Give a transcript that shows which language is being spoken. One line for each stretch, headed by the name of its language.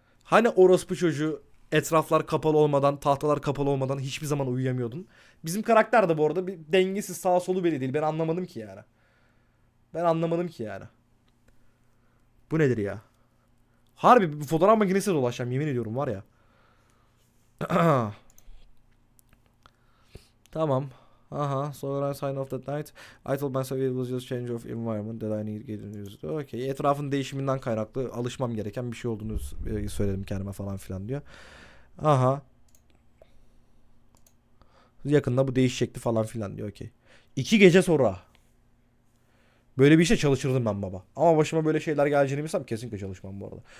Turkish: Hani orospu çocuğu... Etraflar kapalı olmadan, tahtalar kapalı olmadan hiçbir zaman uyuyamıyordun. Bizim karakter de bu arada bir dengesiz, sağ solu belli değil. Ben anlamadım ki yani. Ben anlamadım ki yani. Bu nedir ya? Harbi bir fotoğraf makinesine dolaşacağım yemin ediyorum var ya. Tamam.
English: Aha, so when I signed off that night, I told myself it was just change of environment that I need to get used to.
Turkish: Okay, etrafın değişiminden kaynaklı alışmam gereken bir şey olduğunu söyledim kendime falan filan diyor. Aha. Yakında bu değişecekti falan filan diyor, okay. İki gece sonra. Böyle bir işte çalışırdım ben baba. Ama başıma böyle şeyler geleceğini bilsem kesinlikle çalışmam bu arada.